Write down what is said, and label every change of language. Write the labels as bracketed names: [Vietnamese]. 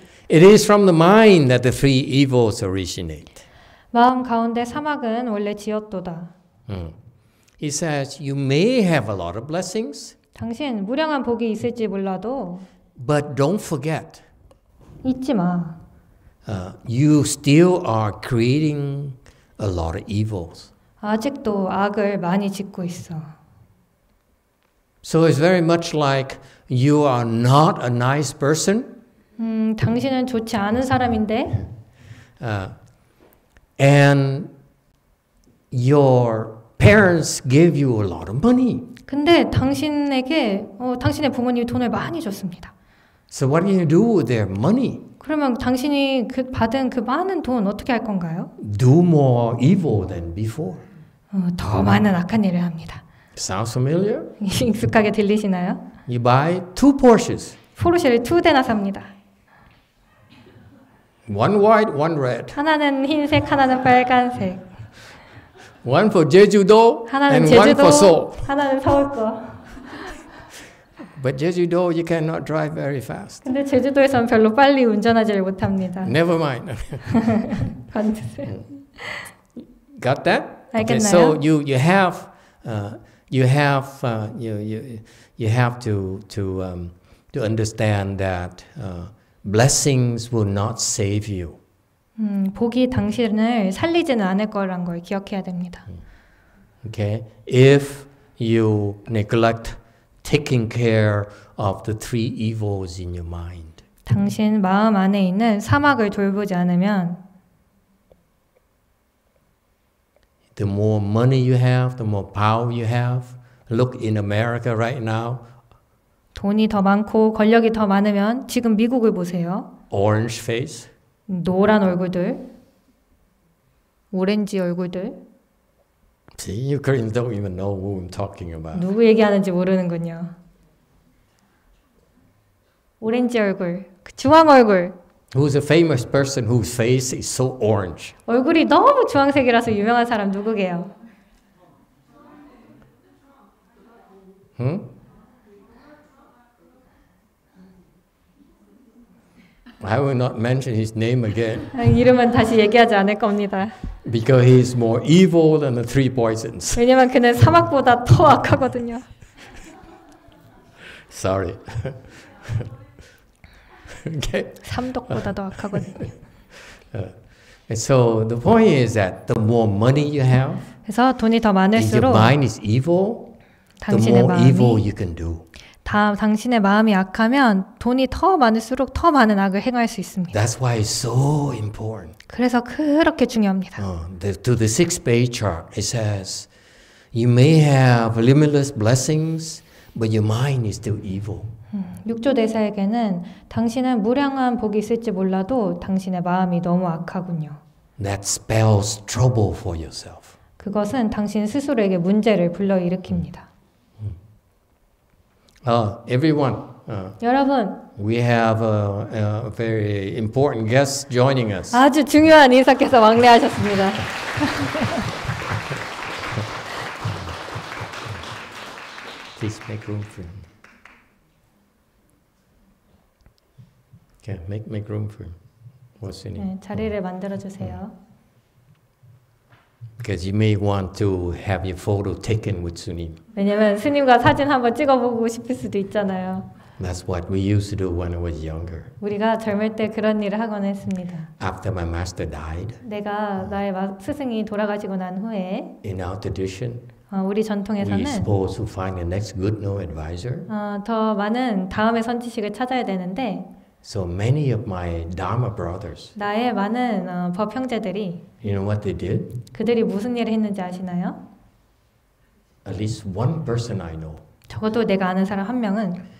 [English] It is from the mind that the three evils originate. [Korean] 마음 가운데 사막은 원래 지었도다. [English] He says you may have a lot of blessings. [Korean] 당신 무량한 복이 있을지 몰라도. [English] But don't forget. [Korean] 잊지 마. [English] You still are creating a lot of evils. [Korean] 아직도 악을 많이 짓고 있어. [English] So it's very much like you are not a nice person. [Korean] 당신은 좋지 않은 사람인데. [English] And your parents gave you a lot of money. [Korean] 근데 당신에게 당신의 부모님이 돈을 많이 줬습니다. [English] So what do you do with their money? [Korean] 그러면 당신이 그 받은 그 많은 돈 어떻게 할 건가요? [English] Do more evil than before. [Korean] 더 많은 악한 일을 합니다. [English] Sounds familiar? [Korean] 익숙하게 들리시나요? [English] You buy two Porsches. [Korean] 포르쉐를 두 대나 삽니다. [English] One white, one red. [Korean] 하나는 흰색, 하나는 빨간색. [English] One for Jeju-do, and one for Seoul. [Korean] 하나는 서울도. [English] But Jeju-do, you cannot drive very fast. [Korean] 근데 제주도에서는 별로 빨리 운전하지를 못합니다. [English] Never mind. [Korean] 관두세요. [English] Got that? [Korean] 알겠나요? [English] Okay, so you have to understand that blessings will not save you. [Korean] 복이 당신을 살리지는 않을 거란 걸 기억해야 됩니다. [English] Okay. If you neglect taking care of the three evils in your mind. [Korean] 당신 마음 안에 있는 사막을 돌보지 않으면 [English] The more money you have, the more power you have. Look in America right now. [Korean] 돈이 더 많고 권력이 더 많으면 지금 미국을 보세요. [English] Orange face. [Korean] 노란 얼굴들. 오렌지 얼굴들. [English] See, Ukrainians don't even know who I'm talking about. [Korean] 누구 얘기하는지 모르는군요. 오렌지 얼굴. 그 주황 얼굴. [English] Who's a famous person whose face is so orange? [Korean] 얼굴이 너무 주황색이라서 유명한 사람 누구게요? [English] 응? I will not mention his name again. [Korean] 이름은 다시 얘기하지 않을 겁니다. [English] Because he is more evil than the three poisons. [Korean] 왜냐면 그는 사막보다 더 악하거든요. [English] Sorry. Okay. [Korean] 삼독보다 더 악하거든요. [English] So the point is that the more money you have, [Korean] 그래서 돈이 더 많을수록 [English] your mind is evil, the more evil you can do. [Korean] 당신의 마음이 악하면 돈이 더 많을수록 더 많은 악을 행할 수 있습니다. [English] That's why it's so important. [Korean] 그래서 그렇게 중요합니다. [English] To the sixth page chart, it says, you may have limitless blessings, but your mind is still evil. [Korean] 6조 대사에게는 당신은 무량한 복이 있을지 몰라도 당신의 마음이 너무 악하군요. [English] That spells trouble for yourself. [Korean] 그것은 당신 스스로에게 문제를 불러일으킵니다. [English] Everyone. [Korean] 여러분. [English] We have a very important guest joining us. [Korean] 아주 중요한 인사께서 왕래하셨습니다. [English] Please make room for him. Yeah, make room for what's in it. [Korean] 네, 자리를 만들어주세요. [English] Because you may want to have your photo taken with 스님. [Korean] 왜냐면 스님과 사진 한번 찍어보고 싶을 수도 있잖아요. [English] That's what we used to do when I was younger. [Korean] 우리가 젊을 때 그런 일을 하곤 했습니다. [English] After my master died. [Korean] 내가 나의 스승이 돌아가시고 난 후에. [English] In our tradition. [Korean] 우리 전통에서는 [English] we suppose to find the next good no advisor. [Korean] 더 많은 다음의 선지식을 찾아야 되는데. [English] So many of my Dharma brothers. [Korean] 나의 많은 법 형제들이. [English] You know what they did? [Korean] 그들이 무슨 일을 했는지 아시나요? [English] At least one person I know. [Korean] 적어도 내가 아는 사람 한 명은.